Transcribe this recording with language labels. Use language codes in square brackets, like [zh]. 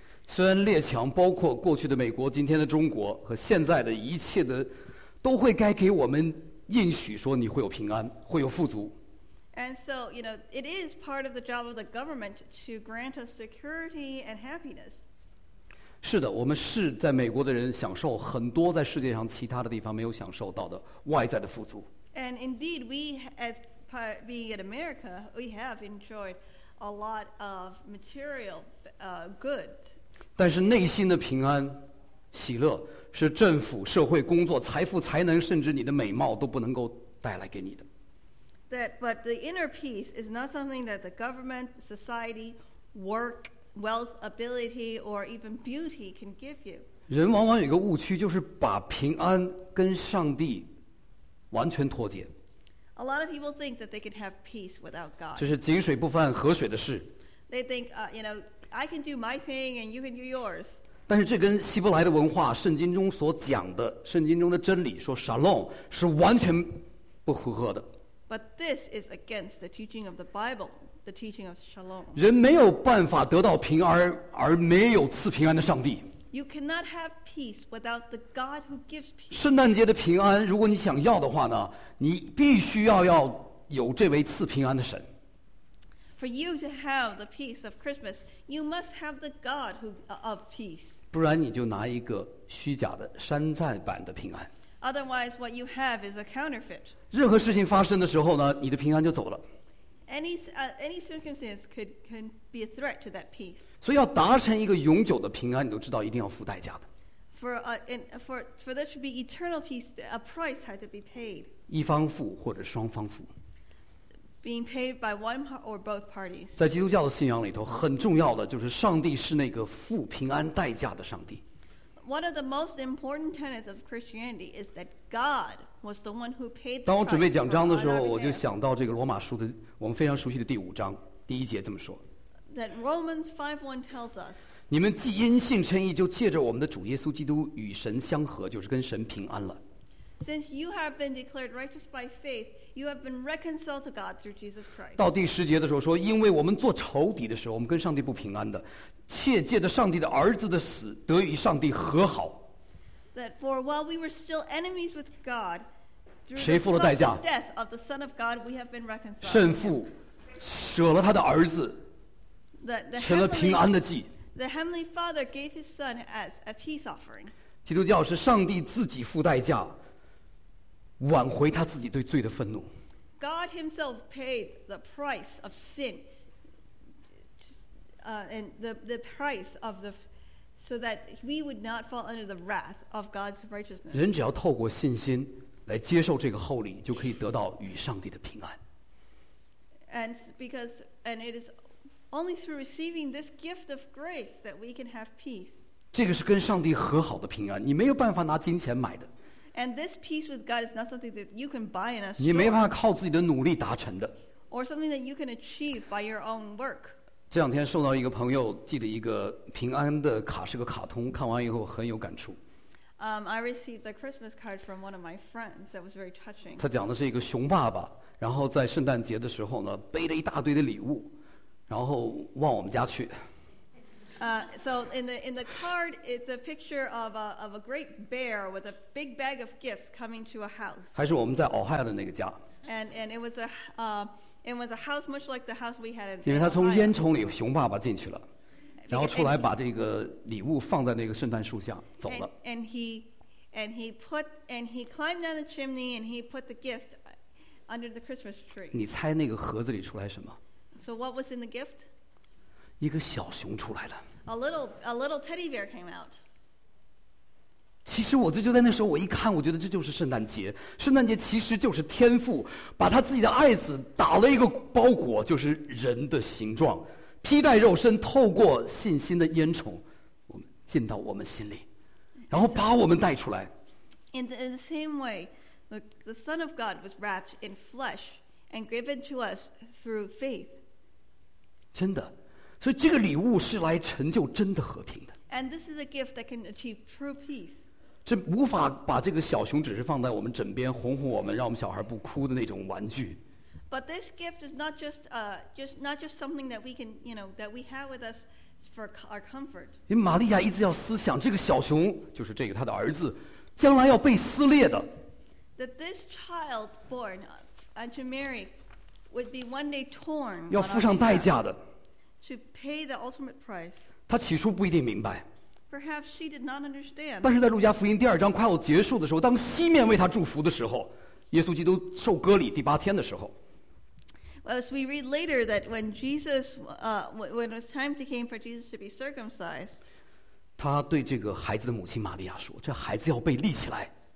[zh] 虽然列强包括过去的美国、今天的中国和现在的一切的，都会该给我们应许说你会有平安，会有富足。 [en] And so, you know, it is part of the job of the government to grant us security and happiness. [zh] 是的，我们是在美国的人享受很多在世界上其他的地方没有享受到的外在的富足。 [en] And indeed, we as being in America, we have enjoyed a lot of material goods. [zh] 但是内心的平安、喜乐是政府、社会、工作、财富、才能，甚至你的美貌都不能够带来给你的。 [en] But the inner peace is not something that the government, society, work. Wealth, ability, or even beauty can give you. [zh] 人往往有一个误区，就是把平安跟上帝完全脱节。 [en] A lot of people think that they can have peace without God. [zh] 这是井水不犯河水的事。 [en] They think, you know, I can do my thing and you can do yours. [zh] 但是这跟希伯来的文化、圣经中所讲的、圣经中的真理说 shalom 是完全不符合的。 [en] But this is against the teaching of the Bible. The teaching of shalom. [zh] 人没有办法得到平安而没有赐平安的上帝。 [en] You cannot have peace without the God who gives peace. [zh] 圣诞节的平安，如果你想要的话呢，你必须要有这位赐平安的神。 [en] For you to have the peace of Christmas, you must have the God who of peace. [zh] 不然你就拿一个虚假的山寨版的平安。 [en] Otherwise, what you have is a counterfeit. [zh] 任何事情发生的时候呢，你的平安就走了。 [en] Any circumstance can be a threat to that peace. [zh] 所以要达成一个永久的平安，你都知道一定要付代价的。 [en] For there should be eternal peace, a price had to be paid. [zh] 一方付或者双方付。 [en] Being paid by one or both parties. [zh] 在基督教的信仰里头，很重要的就是上帝是那个付平安代价的上帝。 [en] One of the most important tenets of Christianity is that God was the one who paid the price. [zh] 当我准备讲章的时候，我就想到这个罗马书的我们非常熟悉的第五章第一节这么说。 [en] That Romans 5:1 tells us. [zh] 你们既因信称义，就借着我们的主耶稣基督与神相合，就是跟神平安了。 [en] Since you have been declared righteous by faith, you have been reconciled to God through Jesus Christ. [zh] 到第十节的时候说，因为我们做仇敌的时候，我们跟上帝不平安的，却借着上帝的儿子的死，得与上帝和好。 [en] That for while we were still enemies with God, through the death of the Son of God, we have been reconciled. [zh] 圣父舍了他的儿子，成了平安的祭。 [en] The heavenly Father gave his Son as a peace offering. [zh] 基督教是上帝自己付代价。挽回他自己对罪的愤怒。 [en] God himself paid the price of sin, and the price of the, so that we would not fall under the wrath of God's righteousness. [zh] 人只要透过信心来接受这个厚礼，就可以得到与上帝的平安。 [en] And it is only through receiving this gift of grace that we can have peace. [zh] 这个是跟上帝和好的平安，你没有办法拿金钱买的。 [en] And this peace with God is not something that you can buy in a store. [zh] 你没办法靠自己的努力达成的。 [en] Or something that you can achieve by your own work. [zh] 这两天收到一个朋友寄的一个平安的卡，是个卡通，看完以后很有感触。 [en] I received a Christmas card from one of my friends that was very touching. [zh] 他讲的是一个熊爸爸，然后在圣诞节的时候呢，背了一大堆的礼物，然后往我们家去。 [en] So in the card, it's a picture of a great bear with a big bag of gifts coming to a house. [zh] 还是我们在 Ohio 的那个家。 [en] And it was a house much like the house we had in. [zh] 因为他从烟囱里熊爸爸进去了，然后出来把这个礼物放在那个圣诞树下走了。 [en] And he climbed down the chimney and he put the gift under the Christmas tree. [zh] 你猜那个盒子里出来什么 [en] ？So what was in the gift? [zh] 一个小熊出来了。 [en] A little teddy bear came out. [zh] 其实我这就在那时候，我一看，我觉得这就是圣诞节。圣诞节其实就是天父把他自己的爱子打了一个包裹，就是人的形状，披戴肉身，透过信心的烟囱，我们进到我们心里，然后把我们带出来。 [en] In the same way, the Son of God was wrapped in flesh and given to us through faith. [zh] 真的。所以这个礼物是来成就真的和平的。 [en] And this is a gift that can achieve true peace. [zh] 这无法把这个小熊只是放在我们枕边哄哄我们，让我们小孩不哭的那种玩具。 [en] But this gift is not just something that we can, you know, that we have with us for our comfort. [zh] 因为玛利亚一直要思想，这个小熊就是这个她的儿子，将来要被撕裂的。 [en] That this child born unto Mary would be one day torn. [zh] 要付上代价的。 [en] To pay the ultimate price. [zh] 他起初不一定明白。 [en] Perhaps she did not understand. [zh] 但是在路加福音第二章快要结束的时候，当西面为他祝福的时候，耶稣基督受割礼第八天的时候。 [en] As we read later that when Jesus, when it was time to came for Jesus to be circumcised, [zh] 他对这个孩子的母亲玛利亚说：“这孩子要被立起来。